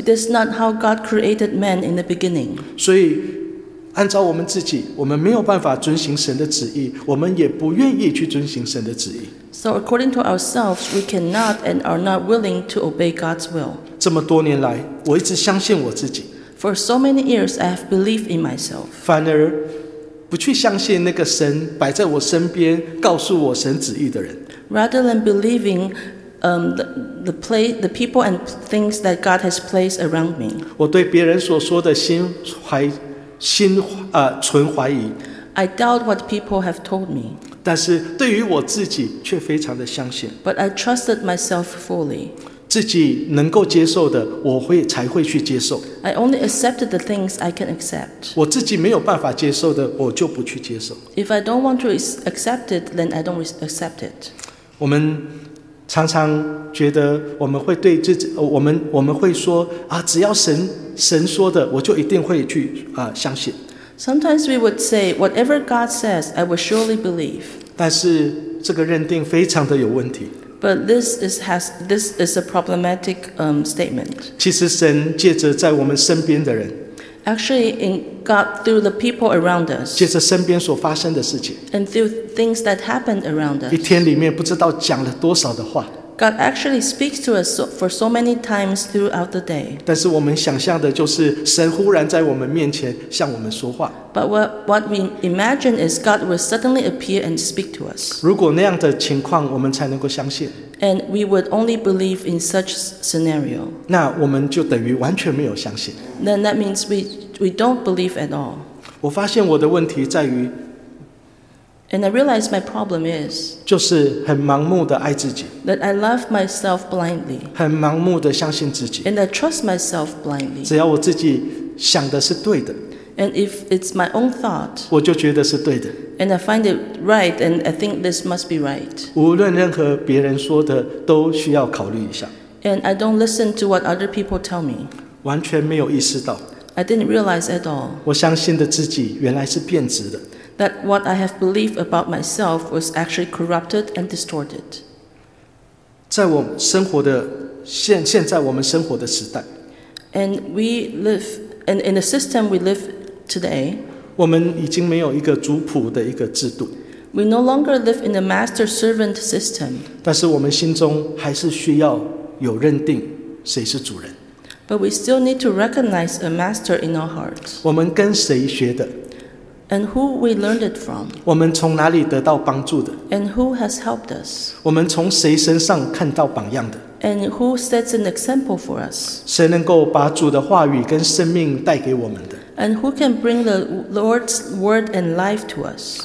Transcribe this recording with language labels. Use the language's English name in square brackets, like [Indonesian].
[English] It is not how God created man in the beginning. [Chinese] 所以按照我们自己，我们没有办法遵行神的旨意，我们也不愿意去遵行神的旨意。 [English] So according to ourselves, we cannot and are not willing to obey God's will. [Chinese] 这么多年来，我一直相信我自己。 [English] For so many years, I have believed in myself. [Chinese] 反而不去相信那个神摆在我身边，告诉我神旨意的人。 [English] Rather than believing, the people and things that God has placed around me. [Chinese] 我对别人所说的存怀疑。 [English] I doubt what people have told me. [Chinese] 但是对于我自己却非常的相信。 [English] But I trusted myself fully. [Chinese] 自己能够接受的，才会去接受。 [English] I only accepted the things I can accept. [Chinese] 我自己没有办法接受的，我就不去接受。 [English] If I don't want to accept it, then I don't accept it. [Chinese] 我们常常觉得我们会对自己，我们会说啊，只要神说的，我就一定会去相信。 [English] Sometimes we would say, whatever God says, I will surely believe. [Chinese] 但是这个认定非常的有问题。 [English] But this is a problematic statement. [Chinese] 其实神借着在我们身边的人。 [English] Actually, in God through the people around us. [Chinese] 借着身边所发生的事情。 [English] And through things that happened around us. [Chinese] 一天里面不知道讲了多少的话。 [English] God actually speaks to us for so many times throughout the day. [Chinese] 但是我们想象的就是神忽然在我们面前向我们说话。 [English] But what we imagine is God will suddenly appear and speak to us. [Chinese] 如果那样的情况，我们才能够相信。 [English] And we would only believe in such scenario. [Chinese] 那我们就等于完全没有相信。 [English] Then that means we don't believe at all. [Chinese] 我发现我的问题在于。 [English] And I realize my problem is [Chinese] 就是很盲目的爱自己 [English] that I love myself blindly [Chinese] 很盲目的相信自己 [English] and I trust myself blindly [Chinese] 只要我自己想的是对的 [English] and if it's my own thought [Chinese] 我就觉得是对的 [English] and I find it right and I think this must be right [Chinese] 无论任何别人说的都需要考虑一下 [English] and I don't listen to what other people tell me [Chinese] 完全没有意识到 [English] I didn't realize at all [Chinese] 我相信的自己原来是变质的 [English] That what I have believed about myself was actually corrupted and distorted. [Chinese] 在我生活的现在我们生活的时代 [English] ，and we live and in the system we live today. [Chinese] 我们已经没有一个主仆的一个制度。 [English] We no longer live in a master servant system. [Chinese] 但是我们心中还是需要有认定谁是主人。 [English] But we still need to recognize a master in our hearts. [Chinese] 我们跟谁学的？ [English] And who we learned it from? [Chinese] 我们从哪里得到帮助的 [English] ？And who has helped us? [Chinese] 我们从谁身上看到榜样的 [English] ？And who sets an example for us? [Chinese] 谁能够把主的话语跟生命带给我们的 [English] ？And who can bring the Lord's word and life to us?